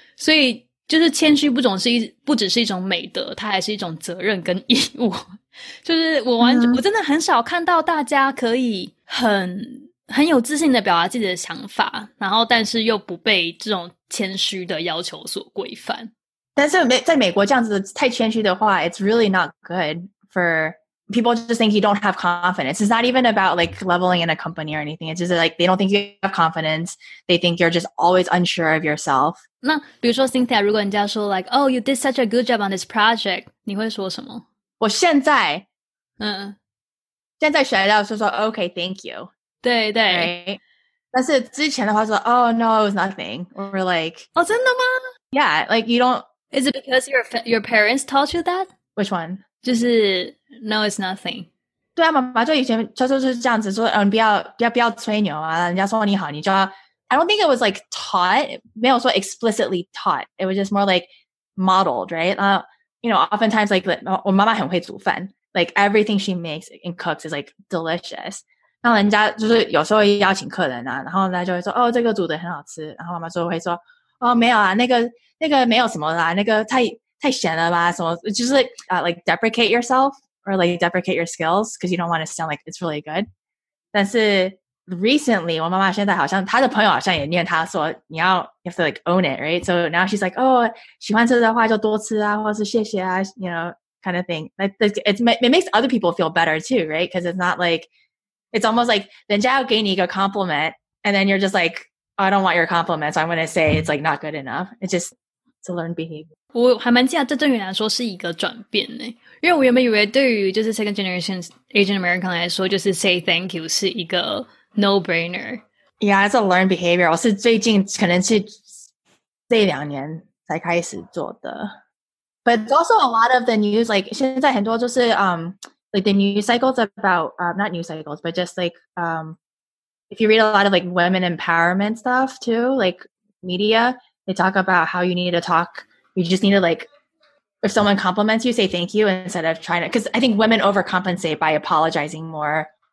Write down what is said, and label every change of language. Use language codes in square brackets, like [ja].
[zh] 所以就是谦虚不只是一种美德它还是一种责任跟义务。就是我真的很少看到大家可以很有自信的表达自己的想法然后但是又不被这种谦虚的要求所规范但是在美国这样子太谦虚的话 [en] It's really not good for people just think you don't have confidence It's not even about like leveling in a company or anything It's just like they don't think you have confidence They think you're just always unsure of yourself [zh] 那比如说 Cynthia 如果人家说 [en] like Oh you did such a good job on this project [zh] 你会说什么我现在现在学到是说 [en] OK thank you [zh] 对对、 [en] right? [zh] 但是之前的话说 [en] Oh no it was nothing Or like [zh] 哦真的吗 [en] Yeah like you don't Is it because your parents taught you that? Which one? [zh] 就是 [en] No it's nothing [zh] 对啊妈妈就以前就是这样子说、嗯、不要吹牛啊人家说你好你就要 [en] I don't think it was like taught [zh] 没有说 explicitly taught [en] It was just more like modeled right? You know, oftentimes, like, [zh] 我妈妈很会煮饭 [en] Like, everything she makes and cooks is, like, delicious. [zh] 那人家就是有时候邀请客人啊，然后人家就会说，哦，这个煮的很好吃。然后妈妈就会说，哦，没有啊，那个没有什么啦，那个太咸了吧，什么，就是 [en] like, deprecate yourself, or, like, deprecate your skills, because you don't want to sound like it's really good. [zh] 但是 recently, 我妈妈现在好像，她的朋友好像也念她说，你要 [en] You have to like own it, right? So now she's like, oh, [zh] 喜欢吃的话就多吃啊，或是谢谢啊， [en] you know, kind of thing. It makes other people feel better too, right? Because it's not like, it's almost like, [zh] 人家要给你一个 [en] compliment, and then you're just like, oh, I don't want your compliment, so I'm going to say it's like not good enough. It's just, it's a learned behavior. [zh] 我还蛮记得这对于来说是一个转变呢，因为我原本以为对于就是 [en] second generation Asian American [zh] 来说，就是 [en] say thank you [zh] 是一个 no-brainer。 [en] Yeah, it's a learned behavior. [zh] 我是最近可能是这两年才开始做的。 [en] But also a lot of the news, like [zh] 现在很多就是 [en] like the news cycles about, not news cycles, but just like, if you read a lot of like women empowerment stuff too, like media, they talk about how you need to talk. You just need to like, if someone compliments you, say thank you instead of trying to, because I think women overcompensate by apologizing more.